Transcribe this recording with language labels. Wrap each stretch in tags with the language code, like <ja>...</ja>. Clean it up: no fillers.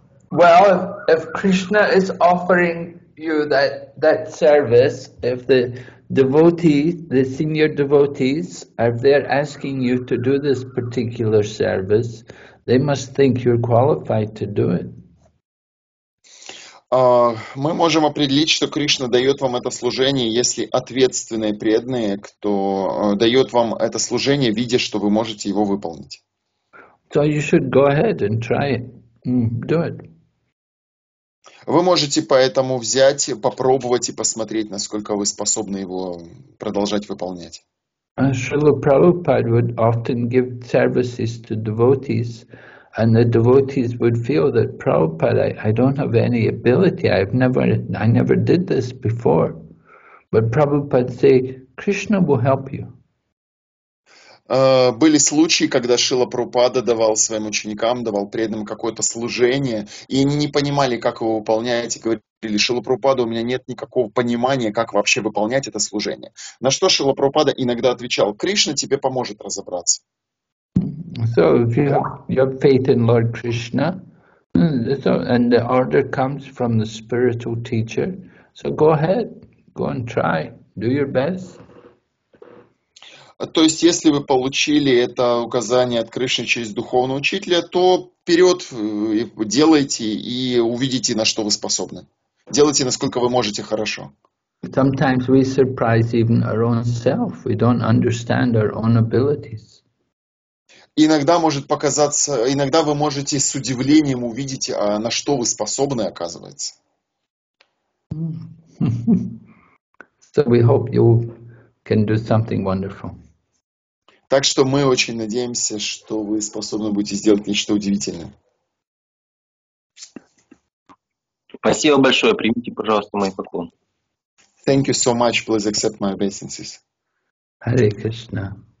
<en>Well, if Krishna is offering you that service, if the devotees, the senior devotees, are there asking you to do this particular service, they must think you're qualified to do it.</en> <ru>Мы можем определить, что Кришна дает вам это служение, если ответственные преданные, кто дает вам это служение, видя, что вы можете его выполнить.</ru> <en>So you should go ahead and try it. Do it.</en> <ru>Вы можете поэтому взять, попробовать и посмотреть, насколько вы способны его продолжать выполнять.</ru> <en>Шрила Прабхупада would often give services to devotees, and the devotees would feel that Prabhupada, I don't have any ability, I never did this before. But Prabhupada say, Krishna will help you.</en> <ru>Были случаи, когда Шрила Прабхупада давал своим ученикам, давал преданным какое-то служение, и они не понимали, как его выполнять, и говорили, Шрила Прабхупада, у меня нет никакого понимания, как вообще выполнять это служение. На что Шрила Прабхупада иногда отвечал, Кришна тебе поможет разобраться.</ru> <en>So, if you have your faith in Lord Krishna, so, and the order comes from the spiritual teacher, so go ahead, go and try, do your best.</en> <ru>То есть, если вы получили это указание от Кришны через духовного учителя, то вперед делайте и увидите, на что вы способны. Делайте, насколько вы можете хорошо.</ru> <en>Sometimes we surprise even our own self. We don't understand our own abilities.</en> <ru>Иногда может показаться, иногда вы можете с удивлением увидеть, на что вы способны, оказывается.</ru> <en>So we hope you can do something wonderful.</en> <ru>Так что мы очень надеемся, что вы способны будете сделать нечто удивительное. Спасибо большое. Примите, пожалуйста, мой поклон.</ru> <en>Thank you so much. Please accept my obeisances.</en> <sa>Hare Krishna.</sa>